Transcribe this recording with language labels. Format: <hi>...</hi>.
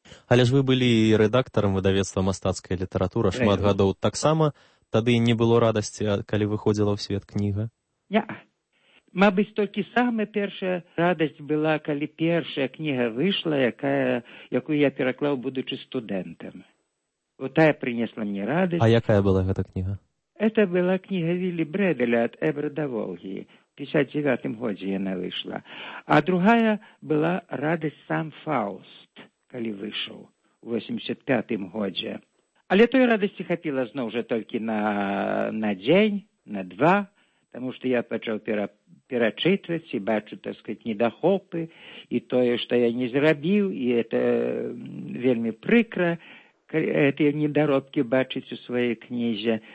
<be>Але ж вы былі рэдактарам выдавецтва «Мастацкая літаратура» шмат гадоў. Таксама тады не было радасці, калі выходзіла ў свет кніга? Не. Мабыць, толькі самая першая радасць была, калі першая кніга выйшла, якую я пераклаў, будучы студэнтам.</be> <ru>Вот тая принесла мне радость. А</ru> <be>якая</be> <ru>была эта книга? Это была книга Вилли Бределя «От Эбра до Волги». В 59-м годзе она вышла. А другая была «Радость сам Фауст»,</ru> <uk>коли</uk> <ru>вышел в 85-м годзе.</ru> <be>Але той радости хапіла зноў</be> <ru>уже только на день, на два, потому что</ru> <be>я почал перачытваць і бачу, так сказаць, недахопы, і тое, што я не зрабіў, і это вельмі прыкра, гэтыя недаробкі бачыць у сваёй кнізе.</be>